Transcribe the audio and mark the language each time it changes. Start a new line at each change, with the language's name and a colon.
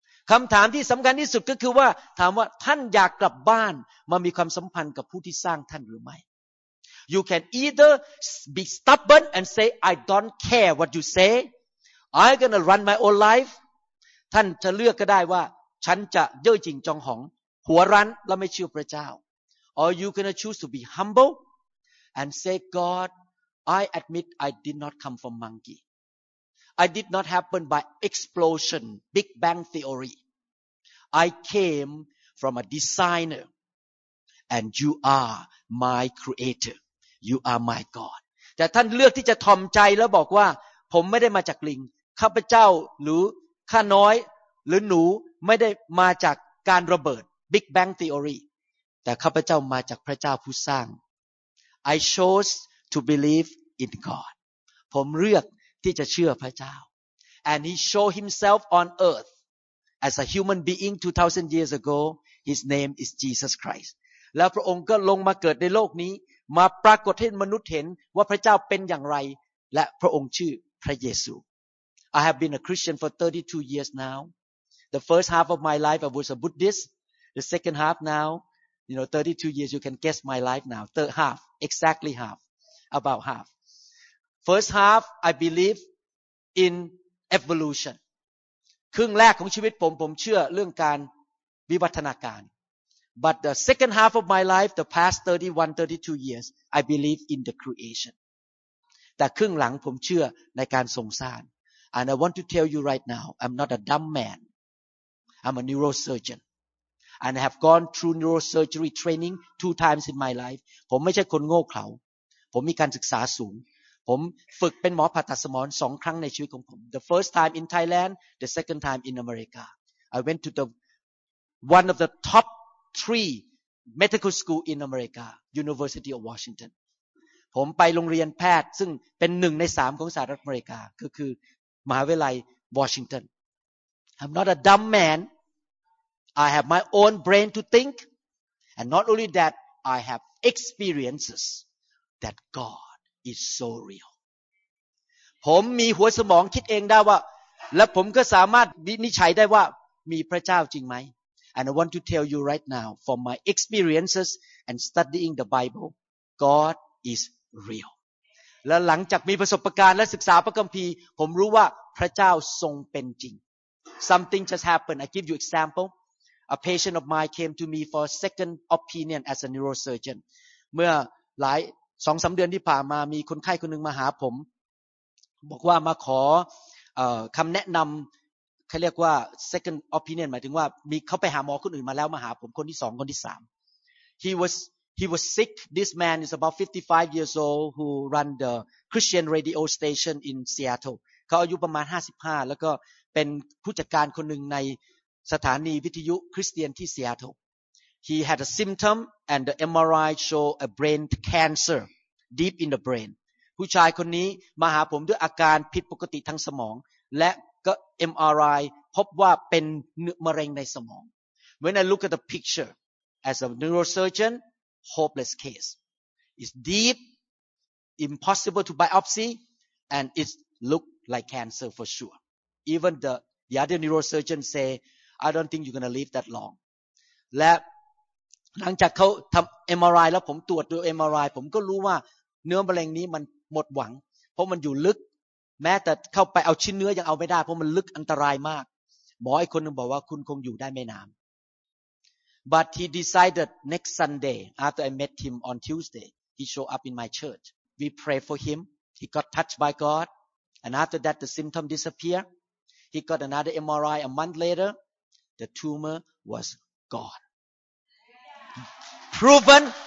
Thai: คำถามที่สำคัญที่สุดก็คือว่าถามว่าท่านอยากกลับบ้านมามีความสัมพันธ์กับผู้ที่สร้างท่านหรือไม่
English: You can either be stubborn and say, I don't care what you say. I'm going to run my own life.
Thai: ท่านจะเลือกก็ได้ว่าฉันจะเย่อหยิ่งจองหองหัวรั้นและไม่เชื่อพระเจ้า
English: Or you're going to choose to be humble and say, God, I admit I did not come from monkey. I did not happen by explosion, Big Bang theory. I came from a designer and you are my creator. You are my God.
Thai: แต่ท่านเลือกที่จะถ่อมใจแล้วบอกว่าผมไม่ได้มาจากลิงข้าพเจ้าหรือข้าน้อยหรือหนูไม่ได้มาจากการระเบิด Big Bang Theory แต่ข้าพเจ้ามาจากพระเจ้าผู้สร้าง
English: I chose to believe in God.
Thai: ผมเลือกที่จะเชื่อพระเจ้า
English: And he showed himself on earth. as a human being 2,000 years ago, his name is Jesus Christ.
Thai: แล้วพระองค์ก็ลงมาเกิดในโลกนี้มาปรากฏให้มนุษย์เห็นว่าพระเจ้าเป็นอย่างไรและพระองค์ชื่อพระเยซู
English: I have been a Christian for 32 years now. The first half of my life I was a Buddhist. The second half now, you know, 32 years you can guess my life now. Third half, exactly half, about half. First half I believe in evolution.
Thai: ครึ่งแรกของชีวิตผมเชื่อเรื่องการวิวัฒนาการ
English: but the second half of my life the past 31 32 years I believe in the creation
Thai: แต่ครึ่งหลังผมเชื่อในการทรงสร้าง
English: and I want to tell you right now I'm not a dumb man I'm a neurosurgeon and I have gone through neurosurgery training 2 times in my life
Thai: ผมไม่ใช่คนโง่เขลาผมมีการศึกษาสูงผมฝึกเป็นหมอผ่าตัดสมองสองครั้งในชีวิตของผม
English: The first time in Thailand, the second time in America. I went to the one of the top three medical school in America, University of Washington.
Thai: ผมไปโรงเรียนแพทย์ซึ่งเป็นหนึ่งในสามของสหรัฐอเมริกาคือมหาวิทยาลัยวอชิงตัน
English: I'm not a dumb man. I have my own brain to think. And not only that, I have experiences that God. Is so real.
Thai: ผมมีหัวสมองคิดเองได้ว่าและผมก็สามารถวินิจฉัยได้ว่ามีพระเจ้าจริงไหม
English: And I want to tell you right now from my experiences and studying the Bible, God is real.
Thai: และหลังจากมีประสบการณ์และศึกษาพระคัมภีร์ผมรู้ว่าพระเจ้าทรงเป็นจริง
English: Something just happened. I give you example. A patient of mine came to me for a second opinion as a neurosurgeon.
Thai: เมื่อหลายสองสามเดือนที่ผ่านมามีคนไข้คนหนึ่งมาหาผมบอกว่ามาขอคำแนะนำเขาเรียกว่า second opinion หมายถึงว่ามีเขาไปหาหมอคนอื่นมาแล้วมาหาผมคนที่สองคนที่สาม
English: he was sick this man is about 55 years old who run the Christian radio station in Seattle
Thai: เขาอายุประมาณ55แล้วก็เป็นผู้จัดการคนหนึ่งในสถานีวิทยุคริสเตียนที่ Seattle
English: He had a symptom, and the MRI showed a brain cancer deep in the brain.
Thai: ผู้ชายคนนี้มาหาผมด้วยอาการผิดปกติทางสมองและก็ MRI พบว่าเป็นมะเร็งในสมอง
English: When I look at the picture, as a neurosurgeon, hopeless case. It's deep, impossible to biopsy, and it looked like cancer for sure. Even the other neurosurgeon say, I don't think you're going to live that long.
Thai: และหลังจากเขาทำ MRI แล้วผมตรวจดู MRI ผมก็รู้ว่าเนื้อมะเร็งนี้มันหมดหวังเพราะมันอยู่ลึกแม้แต่เข้าไปเอาชิ้นเนื้อยังเอาไม่ได้เพราะมันลึกอันตรายมากหมอไอ้คนนึงบอกว่าคุณคงอยู่ได้ไม่นาน
English: But he decided next Sunday after I met him on Tuesday he showed up in my church we pray for him he got touched by God and after that the symptom disappeared he got another MRI a month later the tumor was goneproven